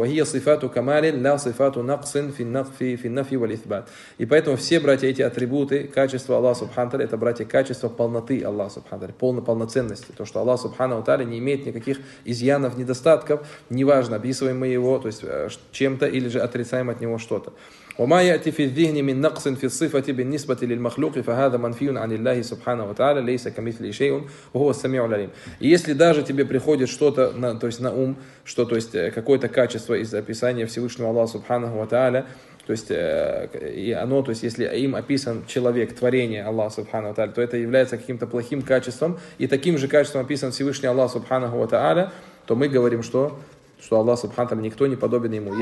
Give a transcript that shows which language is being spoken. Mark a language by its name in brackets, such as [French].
[Arabic] «Вахия сифату камалин ля сифату нақсин финнафи валитбат». [Russian] И поэтому все, братья, эти атрибуты, качества Аллаха Субханаху ва Тааля, это, братья, качество полноты Аллаха Субханаху ва Тааля, полноценности. То, что Аллах Субханаху ва Тааля не имеет никаких изъянов, недостатков, неважно, описываем мы его, то есть чем-то, или же отрицаем от него что-то. [Arabic] وما يأتي في الذهن من نقص في الصفة بالنسبة للمخلوق فهذا منفي عن الله سبحانه وتعالى ليس كمثله شيء وهو السميع العليم. [Russian] И если даже тебе приходит что-то, на, то есть на ум, что то есть какое-то качество из описания Всевышнего Аллаха Субханаху ва Тааля, то есть и оно, то есть если им описан человек, творение Аллаха Субханаху ва Тааля, то это является каким-то плохим качеством, и таким же качеством описан Всевышний Аллах Субханаху ва Тааля, то мы говорим, что что Аллах Субханаху ва Тааля никто не подобен ему.